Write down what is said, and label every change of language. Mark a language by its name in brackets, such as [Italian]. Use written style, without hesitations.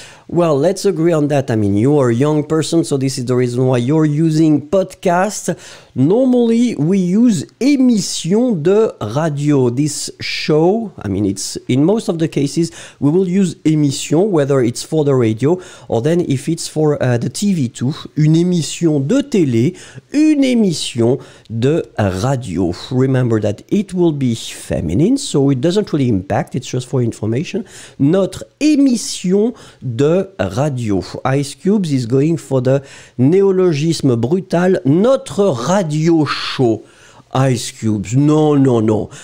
[English] Well, let's agree on that. I mean, you are a young person, so this is the reason why you're using podcasts. Normally, we use [French] émission de radio. [English] This show, I mean, it's in most of the cases, we will use émission, whether it's for the radio or then if it's for the TV too. [French] Une émission de télé, une émission de radio. [English] Remember that it will be feminine, so it doesn't really impact. It's just for information. [French] Notre émission de radio. [English] Ice Cubes is going for the [French] néologisme brutal. Notre [English] radio show, [French] Ice Cubes. Non, non, non.